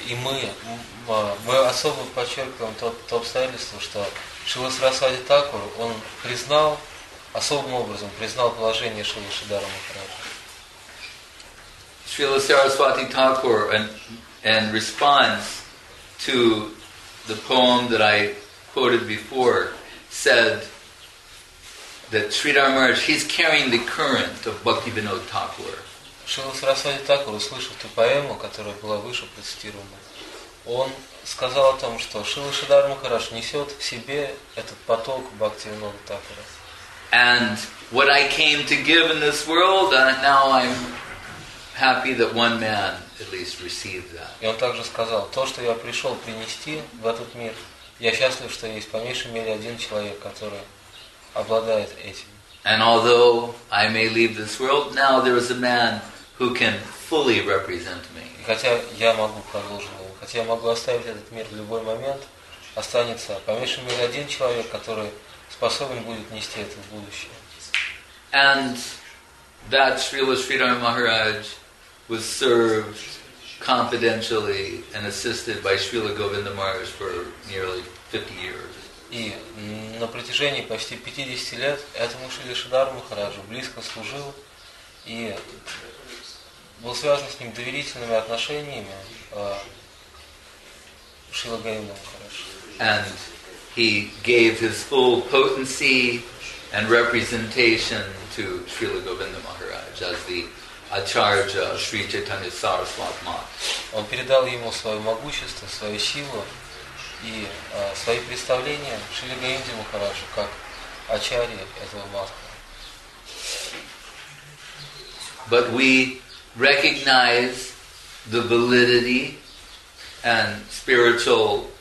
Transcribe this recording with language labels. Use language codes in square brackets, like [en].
[ru] И мы особо подчеркиваем то обстоятельство, что Шрила Сарасвати Такур, он признал, особым образом признал положение Шрилы Шридхара Махараджа. [en] Шрила Сарасвати Такур, and responds to the poem that I quoted before, said that Sridhar Maharaj, he's carrying the current of Bhaktivinod Thakur. [ru] Шрила Сарасвати Такур, услышав ту поэму, которая была выше процитирована, он сказал о том, что Шрила Шридхар Махарадж несет в себе этот поток Бхактивинода Такура. [en] And what I came to give in this world, now I'm happy that one man at least received that. [ru] И он также сказал, то, что я пришел принести в этот мир, я счастлив, что есть по меньшей мере один человек, который обладает этим. [en] And although I may leave this world, now there is a man who can fully represent me. [ru] И хотя я могу продолжить его, хотя я могу оставить этот мир в любой момент, останется по меньшей мере один человек, который способен будет нести это в будущее. [en] And that Srila Sridhar Maharaj was served confidentially and assisted by Srila Govinda Maharaj for nearly 50 years. [ru] И на протяжении почти 50 лет этому Шрила Шридхара Махараджу близко служил и был связан с ним доверительными отношениями Шрила Говинда Махараджа. [en] And he gave his full potency and representation to Srila Govinda Maharaj as the Acharya Sri Chaitanya Saraswat Mat. [ru] Он передал ему свое могущество, свою силу и свои представления Шрила Говинда Махараджа как Ачарья этого Матха. [en] But we recognize the validity and spiritual